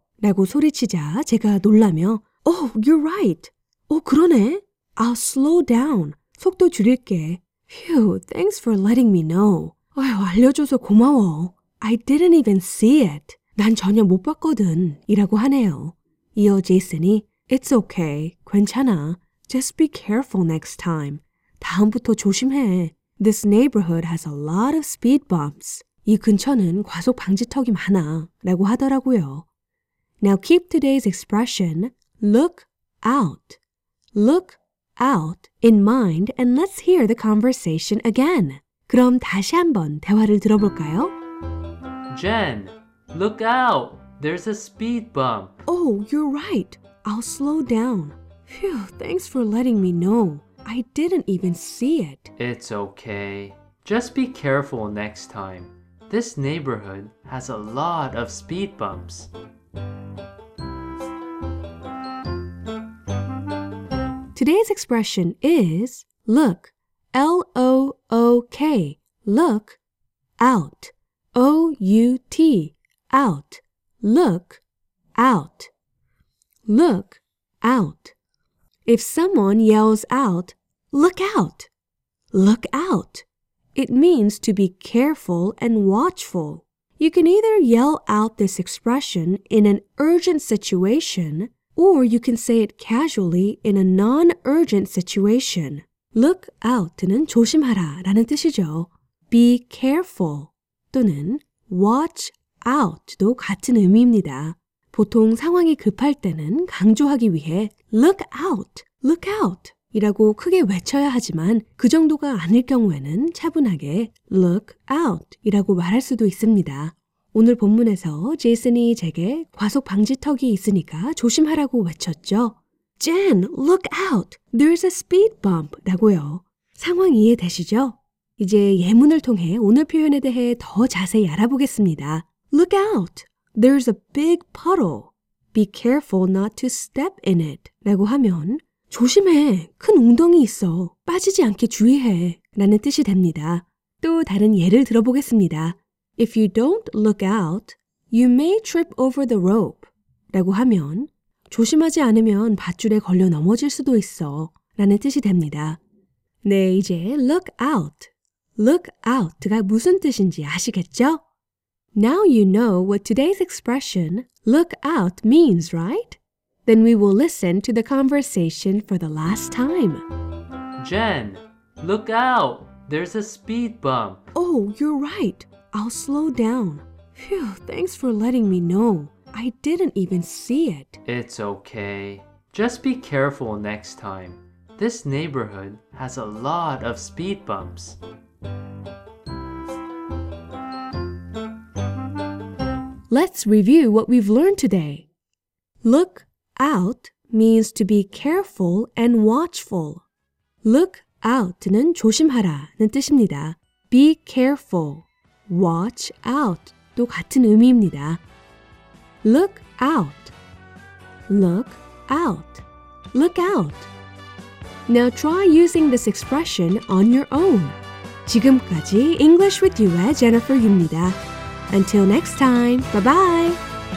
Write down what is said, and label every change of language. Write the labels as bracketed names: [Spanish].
[Korean] 라고 소리치자 제가 놀라며 [English] Oh, you're right! [Korean] 오, 그러네! [English] I'll slow down! [Korean] 속도 줄일게! [English] Phew, thanks for letting me know! [Korean] 아유, 알려줘서 고마워! [English] I didn't even see it! [Korean] 난 전혀 못 봤거든! 이라고 하네요. 이어 제이슨이 [English] It's okay, [Korean] 괜찮아! [English] Just be careful next time. [Korean] 다음부터 조심해. [English] This neighborhood has a lot of speed bumps. [Korean] 이 근처는 과속 방지턱이 많아 라고 하더라고요. [English] Now keep today's expression, look out. Look out in mind and let's hear the conversation again. [Korean] 그럼 다시 한번 대화를 들어볼까요? [English] Jen, look out. There's a speed bump. Oh, you're right. I'll slow down. Phew, thanks for letting me know. I didn't even see it. It's okay. Just be careful next time. This neighborhood has a lot of speed bumps. 'Today's expression is look, L-O-O-K, look out, O-U-T, out, look out, look out. If someone yells out, look out, look out, it means to be careful and watchful. You can either yell out this expression in an urgent situation, or you can say it casually in a non-urgent situation. [Korean] Look out는 조심하라 라는 뜻이죠. Be careful 또는 watch out도 같은 의미입니다. 보통 상황이 급할 때는 강조하기 위해 look out. [English] Look out! [Korean] 이라고 크게 외쳐야 하지만 그 정도가 아닐 경우에는 차분하게 look out! 이라고 말할 수도 있습니다. 오늘 본문에서 제이슨이 제게 과속 방지턱이 있으니까 조심하라고 외쳤죠. [English] Jen, look out! There's a speed bump! 라고요. [Korean] 상황 이해되시죠? 이제 예문을 통해 오늘 표현에 대해 더 자세히 알아보겠습니다. [English] Look out! There's a big puddle. Be careful not to step in it! [Korean] 라고 하면 조심해, 큰 웅덩이 있어, 빠지지 않게 주의해 라는 뜻이 됩니다. 또 다른 예를 들어보겠습니다. [English] If you don't look out, you may trip over the rope [Korean] 라고 하면 조심하지 않으면 밧줄에 걸려 넘어질 수도 있어 라는 뜻이 됩니다. 네, 이제 look out. Look out가 무슨 뜻인지 아시겠죠? [English] Now you know what today's expression look out means, right? Then we will listen to the conversation for the last time. Jen, look out! There's a speed bump. Oh, you're right. I'll slow down. Phew, thanks for letting me know. I didn't even see it. It's okay. Just be careful next time. This neighborhood has a lot of speed bumps. Let's review what we've learned today. Look out means to be careful and watchful. [Korean] Look out는 조심하라는 뜻입니다. Be careful, watch out도 같은 의미입니다. [English] Look out, look out, look out. Now try using this expression on your own. [Korean] 지금까지 English with You의 Jennifer 유입니다. [English] Until next time, bye-bye!